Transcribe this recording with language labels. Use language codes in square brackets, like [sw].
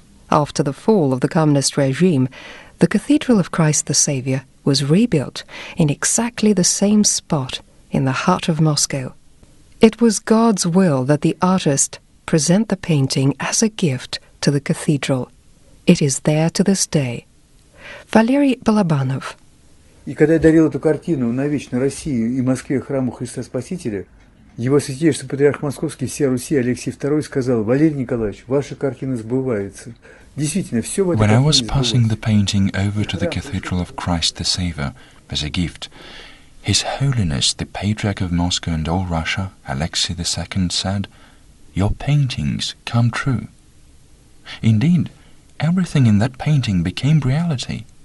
[en] After the fall of the communist regime, the Cathedral of Christ the Savior was rebuilt in exactly the same spot in the heart of Moscow. It was God's will that the artist present the painting as a gift to the cathedral. It is there to this day. Valery Balabanov. [ru] И когда я дарил эту картину навечно России и Москве храму Христа Спасителя, его святейший патриарх Московский всей Руси Алексей II сказал: «Валерий Николаевич, ваша картина сбывается». Действительно, все в этой картине [en] When I was passing the painting over to the Cathedral of Christ the Savior as a gift, His Holiness, the Patriarch of Moscow and all Russia, Alexei II, said, «Your paintings come true». Indeed, everything in that painting became reality.